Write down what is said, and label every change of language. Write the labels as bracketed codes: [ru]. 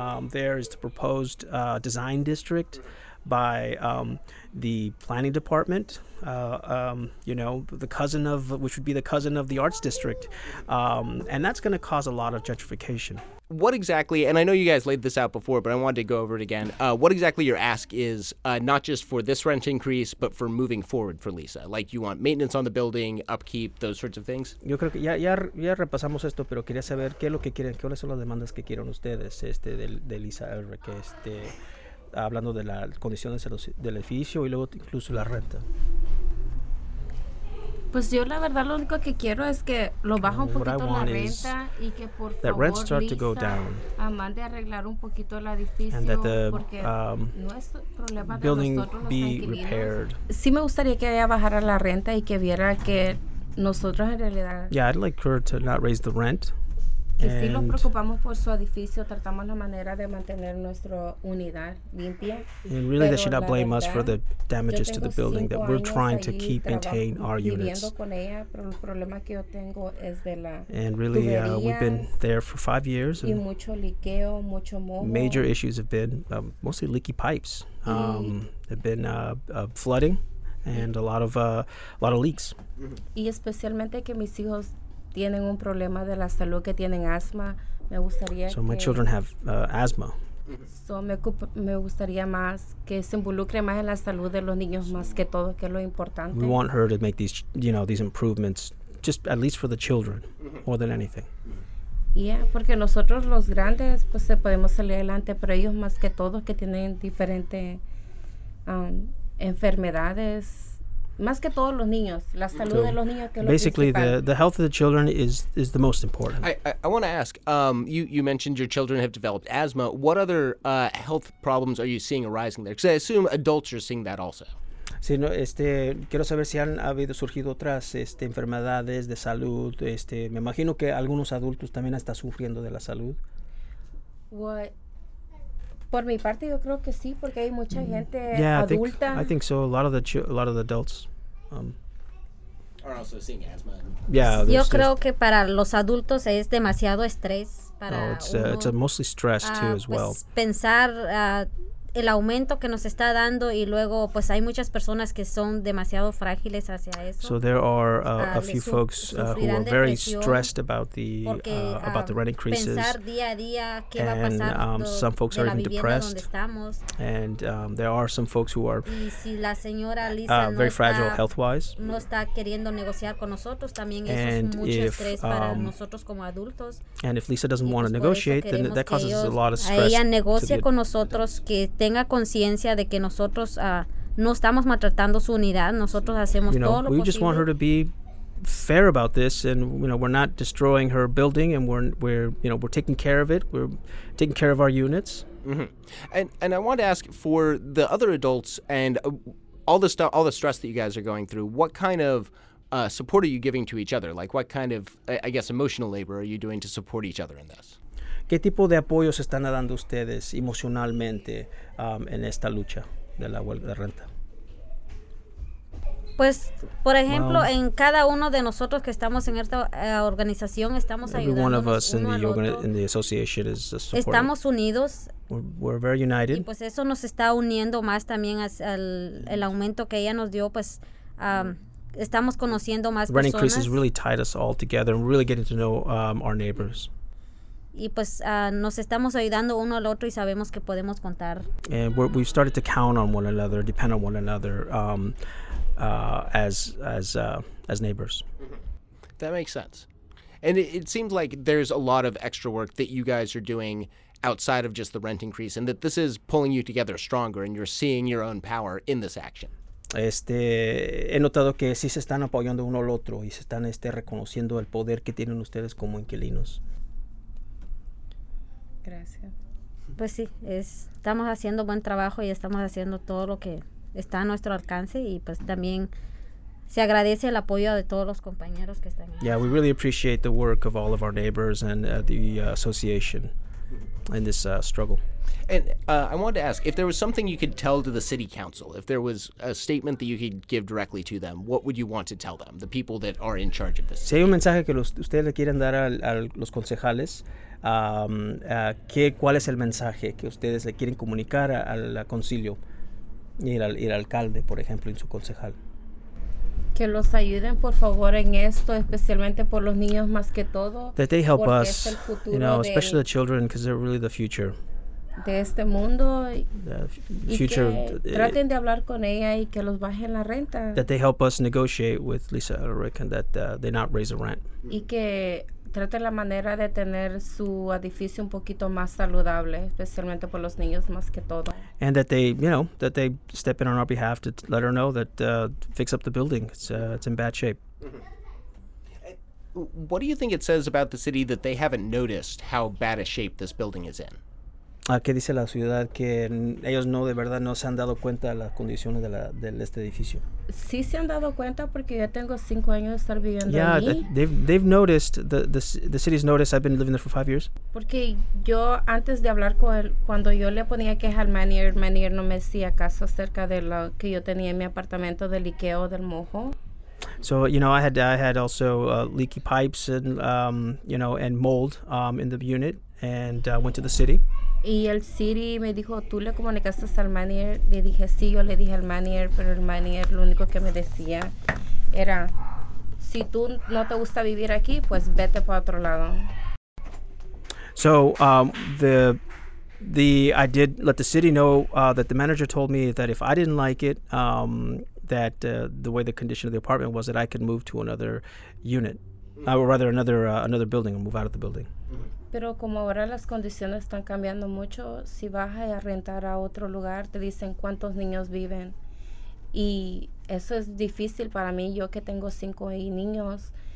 [en] there is the proposed design district by the planning department, you know, the cousin of, which would be the cousin of the arts district. And that's going to cause a lot of gentrification. What exactly, and I know you guys laid this out before, but I wanted to go over it again. What exactly your ask is, not just for this rent increase, but for moving forward for Lisa? Like, you want maintenance on the building, upkeep, those sorts of things? [es] Yo creo que ya repasamos esto, pero quería saber qué es lo que quieren, qué son las demandas que quieren ustedes, de Lisa Elrick, hablando de las condiciones del edificio y luego incluso la renta. Pues yo la verdad lo único que quiero es que lo baje un poquito la renta y que por favor [en] rents start to go down. [es] Mande arreglar un poquito el edificio [en] and that the, [es] porque no es problema de nosotros los inquilinos. Sí me gustaría que ella bajara la renta y que viera que nosotros en realidad. [en] Yeah, I'd like her to not raise the rent. [es] Que sí nos preocupamos por su edificio, tratamos la manera de mantener nuestra unidad limpia. [en] And really they should not blame us for the damages to the building, that we're trying to keep and maintain our units. [es] Con ella, pero el problema que yo tengo es de la [en] and really we've been there for 5 years [es] y mucho liqueo, mucho mojo. [en] Major issues have been mostly leaky pipes. They've been flooding and a lot of leaks. [es] Y especialmente que mis hijos tienen un problema de la salud, que tienen asma. Me gustaría [en] so my children have asthma. [es] So me gustaría más que se involucre más en la salud de los niños, más que todo, que es lo importante. [en] We want her to make these, you know, these improvements, just at least for the children, more than anything. [es] Yeah, porque nosotros los grandes, pues se podemos salir adelante, pero ellos más que todos que tienen diferentes enfermedades. Más que todos los niños, la salud de los niños que lo [en] basically the health of the children is the most important. I want to ask, you mentioned your children have developed asthma. What other health problems are you seeing arising there? Because I assume adults are seeing that also. [es] Sí, no, quiero saber si han habido surgido otras enfermedades de salud. Me imagino que algunos adultos también están sufriendo de la salud. [en] What? [es] Por mi parte, yo creo que sí, porque hay mucha gente adulta. [en] Yeah, I think so. A lot of the adults are also seeing asthma. Yeah, [es] yo creo que para los adultos es demasiado estrés para [en] it's mostly stress too as [es] pues [en] well. [es] Pensar el aumento que nos está dando y luego pues hay muchas personas que son demasiado frágiles hacia eso. [en] So there are a few folks who are very stressed about the rent increases. [es] Pensar día a día qué [en] and, [es] va a pasar. [en] And some folks are even depressed. And there are some folks who are [es] si la señora Lisa [en] very [es] no [en] fragile [es] está, [en] health-wise. [es] No está queriendo negociar con nosotros también eso [en] and [es] es mucho [en] if, [es] estrés para nosotros como adultos. [en] And if Lisa doesn't want to negotiate then that causes a lot of stress. [es] Ella negocia con nosotros que tenga conciencia de que nosotros no estamos maltratando su unidad, nosotros hacemos [en] you know, [es] todo lo posible. [en] We just want her to be fair about this and you know we're not destroying her building and we're you know we're taking care of it, we're taking care of our units. Mm-hmm. And I want to ask for the other adults and all the stress that you guys are going through, what kind of support are you giving to each other? Like what kind of I guess emotional labor are you doing to support each other in this? [es] ¿Qué tipo de apoyo se están dando ustedes emocionalmente en esta lucha de la huelga de renta? Pues, por ejemplo, [en] well, [es] en cada uno de nosotros que estamos en esta organización, estamos ayudándonos uno al otro. Estamos unidos. [en] We're very united. [es] Y pues eso nos está uniendo más también al aumento que ella nos dio, pues... estamos conociendo más [en] rent [es] personas. [en] Rent increases really tied us all together and really getting to know our neighbors. [es] Y pues nos estamos ayudando uno al otro y sabemos que podemos contar. [en] And we've started to count on one another, depend on one another as neighbors. That makes sense. And it seems like there's a lot of extra work that you guys are doing outside of just the rent increase and that this is pulling you together stronger and you're seeing your own power in this action. [es] He notado que sí se están apoyando uno al otro y se están reconociendo el poder que tienen ustedes como inquilinos. Gracias. Pues sí, estamos haciendo buen trabajo y estamos haciendo todo lo que está a nuestro alcance y pues también se agradece el apoyo de todos los compañeros que están ahí. [en] Yeah, we really appreciate the work of all of our neighbors and the association in this struggle. And I wanted to ask, if there was something you could tell to the city council, if there was a statement that you could give directly to them, what would you want to tell them, the people that are in charge of this? [es] Si hay un mensaje que ustedes le quieren dar a los concejales, ¿Cuál es el mensaje que ustedes le quieren comunicar al concilio y al alcalde, por ejemplo, y su concejal? Que los ayuden, por favor, en esto, especialmente por los niños más que todo. [en] That they help us, you know, especially the children, because they're really the future. [es] De este mundo. [en] Future. [es] Traten de hablar con ella y que los bajen la renta. [en] That they help us negotiate with Lisa Ulrich and that they not raise the rent. [es] Y que traten la manera de tener su edificio un poquito más saludable, especialmente por los niños más que todo. [en] And that they, you know, that they step in on our behalf to let her know that fix up the building. It's in bad shape. What do you think it says about the city that they haven't noticed how bad a shape this building is in? [es] ¿Qué dice la ciudad que ellos no, de verdad, no se han dado cuenta de las condiciones de este edificio? Sí se han dado cuenta porque yo tengo 5 años de estar viviendo allí. [en] Yeah, they've noticed, the city's noticed. I've been living there for 5 years. [es] Porque yo antes de hablar con él, cuando yo le ponía queja al manager, manager no me hacía caso acerca de lo que yo tenía en mi apartamento del liqueo del mojo. [en] So, you know, I had also leaky pipes and, you know, and mold in the unit and went to the city. [es] Y el city me dijo, ¿tú le comunicaste al manager? Le dije, sí, yo le dije al manager, pero el manager lo único que me decía era, si tú no te gusta vivir aquí, pues vete para otro lado. [en] So, I did let the city know that the manager told me that if I didn't like it, that the way the condition of the apartment was, that I could move to another unit, or rather another building, and move out of the building. [es] Pero como ahora las condiciones están cambiando mucho, si vas a rentar a otro lugar, te dicen cuántos niños viven. Y eso es difícil para mí, yo que tengo 5 niños.